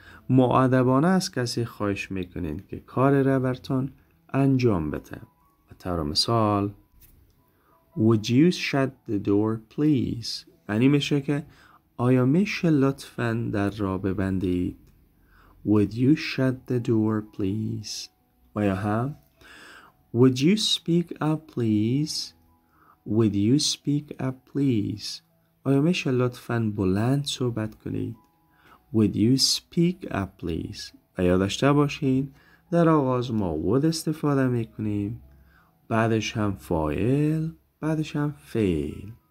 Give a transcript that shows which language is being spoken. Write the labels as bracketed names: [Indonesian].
[Persian] مؤدبانه است کسی خواهش میکنید که کار را برتان انجام بده. و تا طور مثال [English] Would you shut the door please? [Persian] معنی میشه که آیا میشه لطفاً در را ببندید؟ [English] Would you shut the door please? [Persian] و یا هم [English] Would you speak up please? Would you speak up please? [Persian] آیا میشه لطفاً بلند صحبت کنید؟ [English] Would you speak up please? [Persian] و یاد داشته باشین در آغاز ما would استفاده میکنیم، بعدش هم فاعل، بعدش هم فعل.